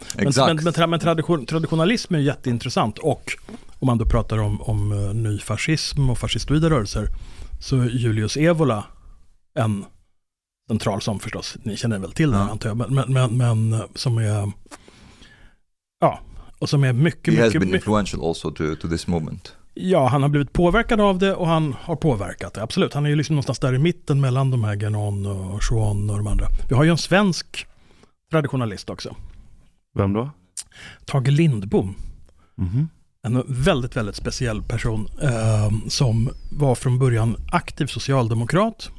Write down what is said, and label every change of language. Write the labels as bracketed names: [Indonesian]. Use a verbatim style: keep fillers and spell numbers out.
[Swedish] Men, men, men, tra, men tradition, traditionalism är jätteintressant, och om man då pratar om, om uh, nyfascism och fascistoida rörelser, så är Julius Evola en central som förstås, ni känner väl till den, mm. antar jag, men, men, men, men som är ja, och som är mycket, [English] He has been influential also to, to this movement. [Swedish] Ja, han har blivit påverkad av det och han har påverkat det, absolut. Han är ju liksom någonstans där i mitten mellan de här Genon och Schwan och de andra. Vi har ju en svensk traditionalist också. Vem då? Tage Lindbom. Mm-hmm. En väldigt, väldigt speciell person eh, som var från början aktiv socialdemokrat.